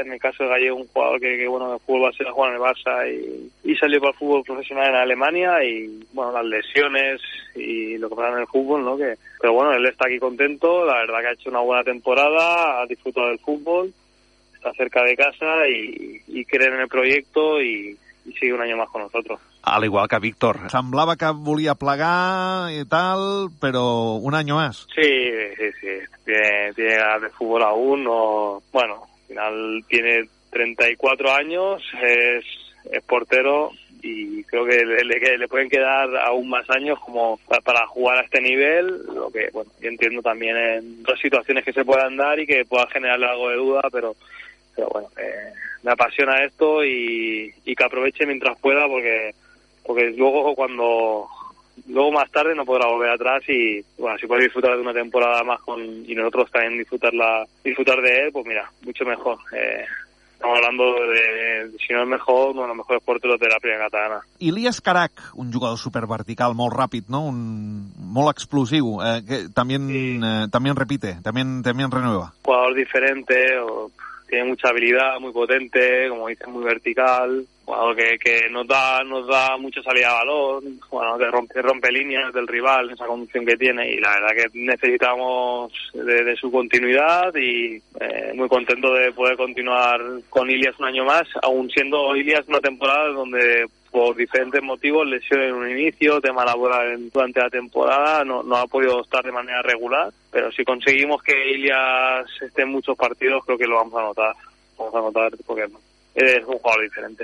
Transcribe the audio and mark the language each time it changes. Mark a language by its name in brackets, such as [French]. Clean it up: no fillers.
[Spanish] En el caso de Gallego, un jugador que bueno, de fútbol va a ser a jugar en el Barça y salió para el fútbol profesional en Alemania, y bueno, las lesiones y lo que pasa en el fútbol, ¿no? Pero bueno, él está aquí contento, la verdad que ha hecho una buena temporada, ha disfrutado del fútbol, está cerca de casa y cree en el proyecto y sigue un año más con nosotros. Al igual que Víctor. [Catalan] Semblava que volia plegar i tal, però un any més. [Spanish] Sí. Tiene ganas de fútbol aún. No... Bueno, al final tiene 34 años, es portero y creo que le pueden quedar aún más años como para jugar a este nivel. Lo que, bueno, yo entiendo también en otras situaciones que se puedan dar y que pueda generarle algo de duda, pero bueno, me apasiona esto y que aproveche mientras pueda porque luego más tarde no podrá volver atrás y bueno, si puede disfrutar de una temporada más y nosotros también disfrutar de él, pues mira, mucho mejor. Estamos hablando de si no es mejor, uno de los mejores porteros de la Primera Catalana. Ilias Carac, un jugador super vertical, [Catalan] molt ràpid, [Spanish] no? Un molt explosivo, que también sí. También repite, también renueva. Jugador diferente, tiene mucha habilidad, muy potente, como dices, muy vertical. Bueno, que nos da mucha salida de balón, bueno, que rompe líneas del rival, esa conducción que tiene, y la verdad que necesitamos de su continuidad y muy contento de poder continuar con Ilias un año más, aún siendo Ilias una temporada donde por diferentes motivos, lesión en un inicio, tema laboral durante la temporada, no ha podido estar de manera regular, pero si conseguimos que Ilias esté en muchos partidos, creo que lo vamos a notar. Vamos a notar porque [Catalan] és un jugador diferent.